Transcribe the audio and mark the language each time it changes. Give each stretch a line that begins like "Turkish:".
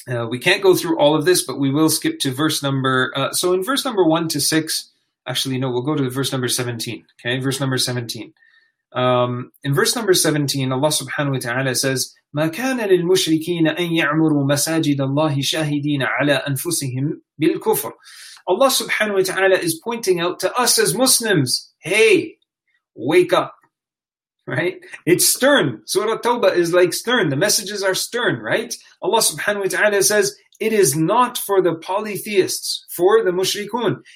English: We can't go through all of this, but we will skip to verse number... in verse number 1 to 6... Actually, no, we'll go to verse number 17, okay? Verse number 17. In verse number 17, Allah subhanahu wa ta'ala says,
Arabic: مَا كَانَ لِلْمُشْرِكِينَ أَن يَعْمُرُوا مَسَاجِدَ اللَّهِ شَاهِدِينَ عَلَىٰ أَنفُسِهِمْ بِالْكُفْرِ.
English: Allah subhanahu wa ta'ala is pointing out to us as Muslims, hey, wake up. right? It's stern. Surah Tawbah is like stern. The messages are stern, right? Allah subhanahu wa ta'ala says, it is not for the polytheists, for the mushrikun.